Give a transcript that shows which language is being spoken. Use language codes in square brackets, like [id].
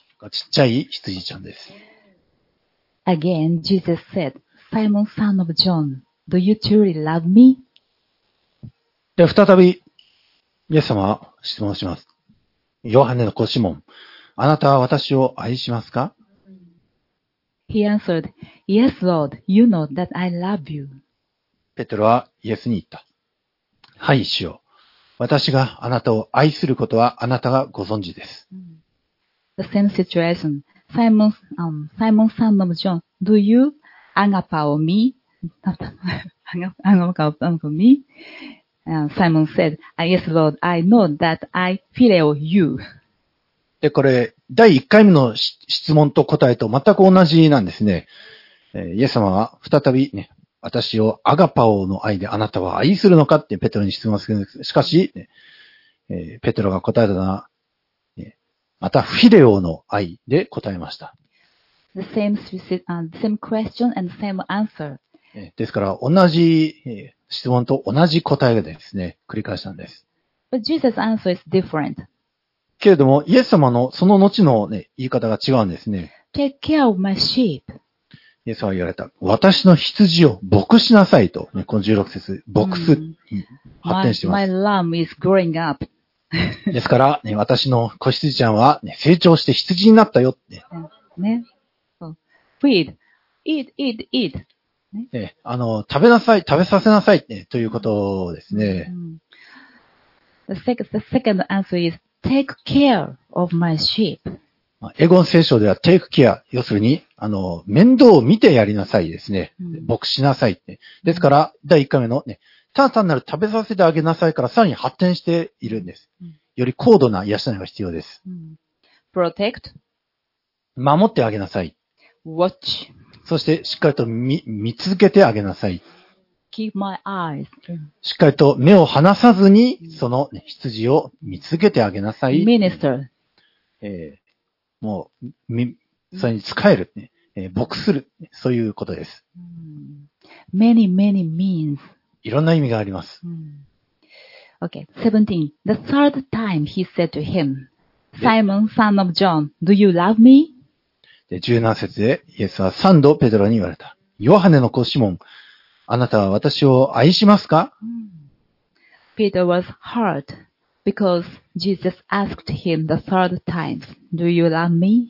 [ja] ちっちゃい羊ちゃんです。 [en] Again, Jesus said, Simon son of John, do you truly love me? [ja] で、再び、イエス様は質問します。ヨハネの子シモン。あなたは私を愛しますか？ [en] He answered, Yes, Lord, you know that I love you. [ja] ペトロはイエスに言った。はい、主よ。私があなたを愛することはあなたがご存知です。 [en] The same situation. Simon, son of John, do you agapao me? agapao me? Simon said, Yes, Lord, I know that I phileo you. [ja] で、これ、第1回目の質問と答えと全く同じなんですね。イエス様は再び、ね、私をアガパオの愛であなたは愛するのかってペトロに質問するんです。しかし、ペトロが答えたのは、またフィレオの愛で答えました。 [en] The same question and same answer. [ja] ですから、同じ質問と同じ答えでですね、繰り返したんです。 [en] But Jesus' answer is different. [ja] けれども、イエス様のその後の、ね、言い方が違うんですね。 [en] Take care of my sheep. [ja] イエス様は言われた。私の羊を牧しなさいと、ね、この16節、牧すに発展しています。 [en] My lamb is growing up. [ja] ですから、ね、私の子羊ちゃんは、ね、成長して羊になったよって。 [en] ね。Feed. Eat, eat, eat. [ja] ね、食べなさい、食べさせなさい、ね、ということですね。 [en] The second answer isTake care of my sheep. [ja] 英語の聖書では take care 要するに面倒を見てやりなさいですね。牧しなさいって。ですから第1回目のね、ただ単なる食べさせてあげなさいからさらに発展しているんです。より高度な養いが必要です。 [en] Protect. [ja] 守ってあげなさい。 [en] Watch. [ja] そしてしっかりと見続けてあげなさい。 [en] Keep my eyes. [ja] しっかりと目を離さずにその羊を見続けてあげなさい。 [en] Minister. [ja] もう、それに使える、ね、牧する、そういうことです。 [en] Many, many means. [ja] いろんな意味があります。 [en] Okay, 17. The third time he said to him, Simon, son of John, do you love me? [ja] で、17節でイエスは3度ペトロに言われた。ヨハネの子シモン、あなたは私を愛しますか？ [en] Peter was hurt because Jesus asked him the third time, Do you love me?